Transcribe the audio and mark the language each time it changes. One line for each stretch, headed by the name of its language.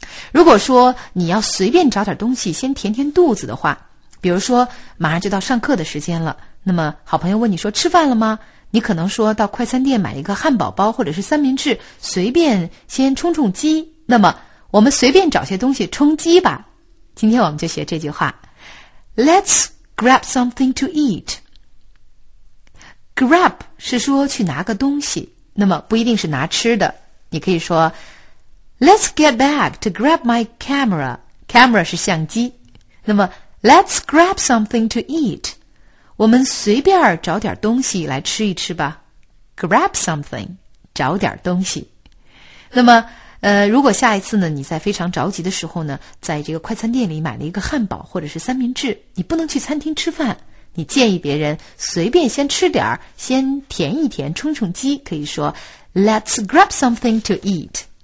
Chinese: 如果说你要随便找点东西先填填肚子的话，比如说马上就到上课的时间了，那么好朋友问你说吃饭了吗，你可能说到快餐店买一个汉堡包或者是三明治随便先充充饥。那么我们随便找些东西充饥吧，今天我们就学这句话
English: Let's grab something to eat。
Chinese: Grab 是说去拿个东西，那么不一定是拿吃的，你可以说
English: Let's get back to grab my camera. Camera
Chinese: 是相机。那么
English: Let's grab something to eat.
Chinese: 我们随便找点东西来吃一吃吧。
English: Grab something,
Chinese: 找点东西。那么如果下一次呢，你在非常着急的时候呢，在这个快餐店里买了一个汉堡或者是三明治，你不能去餐厅吃饭，你建议别人随便先吃点，先填一填，充充饥，可以说
English: Let's grab something to eat。